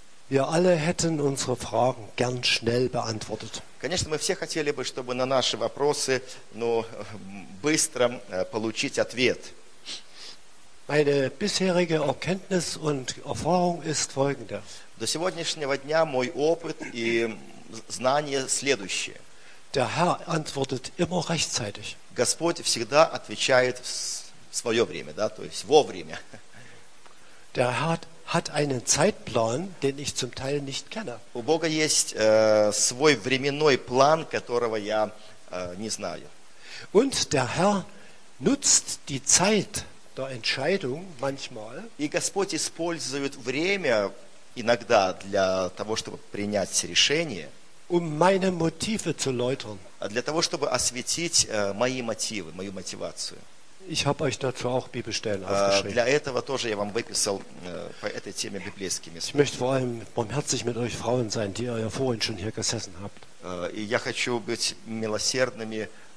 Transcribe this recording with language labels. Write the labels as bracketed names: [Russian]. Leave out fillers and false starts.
[German] Wir alle hätten unsere Fragen gern schnell beantwortet. [Russian] Конечно, мы все хотели бы, чтобы на наши вопросы, ну, быстро получить ответ. [German] Meine bisherige Erkenntnis und Erfahrung ist folgende. [Russian] До сегодняшнего дня мой опыт и знание следующее. [German] Der Herr antwortet immer rechtzeitig. [Russian] Господь всегда отвечает в свое время, да, то есть вовремя. [German] Der Herr hat einen Zeitplan, den ich zum Teil nicht kenne. [Russian] У Бога есть свой временной план, которого я не знаю. [German] Und der Herr nutzt die Zeit der Entscheidung manchmal. [Russian] И Господь использует время иногда для того, чтобы принять решение. [German] Um meine Motive zu läutern. [Russian] Для того, чтобы осветить мои мотивы, мою мотивацию. [German] Ich habe euch dazu auch Bibelstellen aufgeschrieben. [Russian] Для этого тоже я вам выписал по этой теме библейские места. [German] Ich möchte vor allem barmherzig mit euch Frauen sein, die ihr ja vorhin schon hier gesessen habt. [Russian] И я хочу быть милосердными.